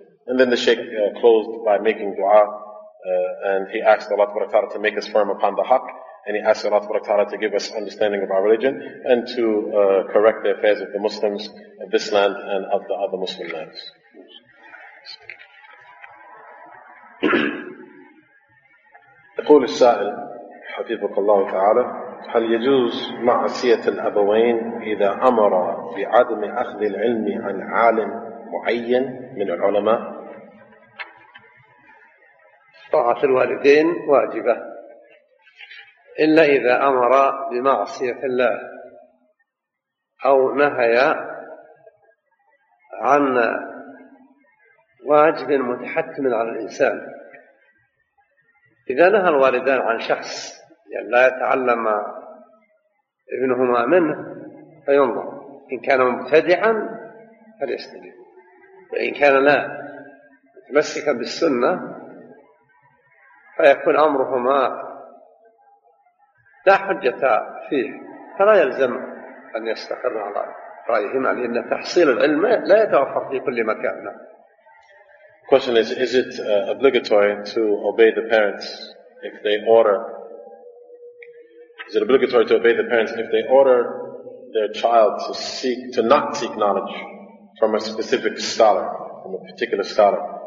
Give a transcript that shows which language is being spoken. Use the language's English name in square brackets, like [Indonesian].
[English] And then the Shaykh closed by making dua, and he asked Allah Subhanahu wa Ta'ala to make us firm upon the haq, and he asked Allah Subhanahu wa Ta'ala to give us understanding of our religion and to correct the affairs of the Muslims of this land and of the other Muslim lands. [Arabic] يقول السائل حفظك الله تعالى هل يجوز معصية الأبوين إذا أمر بعدم أخذ العلم عن عالم معين من العلماء؟ طاعة الوالدين واجبة إلا إذا أمر بمعصية الله أو نهي عن واجب متحتم على الإنسان. إذا نهى الوالدان عن شخص يعني لا يتعلم ابنهما منه فينظر، إن كان مبتدعا فليستجيب، وإن كان لا متمسكا بالسنة فيكون أمرهما لا حجة فيه، فلا يلزم أن يستقر على رأيهما، لأن تحصيل العلم لا يتوفر في كل مكان. [English] Question is it obligatory to obey the parents if they order? Is it obligatory to obey the parents if they order their child to not seek knowledge from a specific scholar, from a particular scholar?